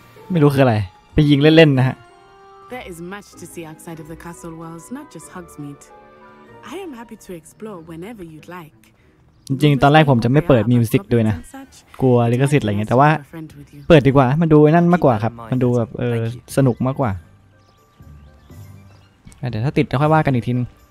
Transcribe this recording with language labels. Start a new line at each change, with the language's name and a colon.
Thai: ไม่รู้คืออะไรไปยิงเล่นๆนะฮะ
English: There is much to see outside of the castle walls, not just Hogsmeade. I am happy to explore whenever you'd like.
Thai: จริงๆตอนแรกผมจะไม่เปิดมิวสิกด้วยนะกลัวลิขสิทธิ์อะไรเงี้ยแต่ว่าเปิดดีกว่ามันดูนั่นมากกว่าครับมันดูแบบสนุกมากกว่าเดี๋ยวถ้าติดจะค่อยว่ากันอีกทีนึง